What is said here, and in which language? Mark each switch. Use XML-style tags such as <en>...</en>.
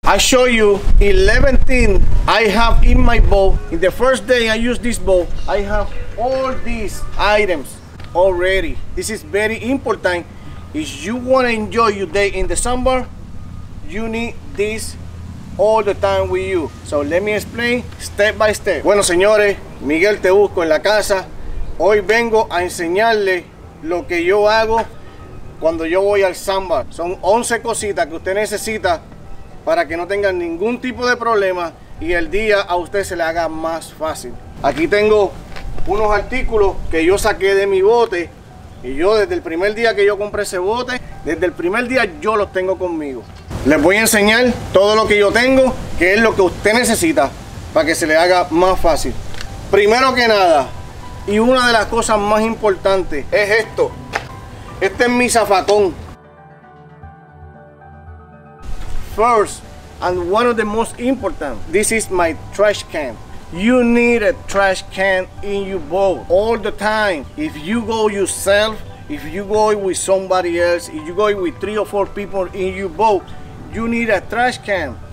<en>I show you 11 things I have in my bowl. In the first day I use this bowl, I have all these items already. This is very important. If you want to enjoy your day in the sandbar, you need this all the time with you. So let me explain step by step.</en> <es>Bueno, señores, Miguel te busco en la casa. Hoy vengo a enseñarle lo que yo hago cuando yo voy al sandbar. Son 11 cositas que usted necesita para que no tengan ningún tipo de problema y el día a usted se le haga más fácil. Aquí tengo unos artículos que yo saqué de mi bote y yo desde el primer día que yo compré ese bote, desde el primer día yo los tengo conmigo. Les voy a enseñar todo lo que yo tengo, que es lo que usted necesita para que se le haga más fácil. Primero que nada, y una de las cosas más importantes es esto. Este es mi zafacón.</es> <en>First and one of the most important, this is my trash can. You need a trash can in your boat all the time. If you go yourself, if you go with somebody else, if you go with 3 or 4 people in your boat, you need a trash can.</en>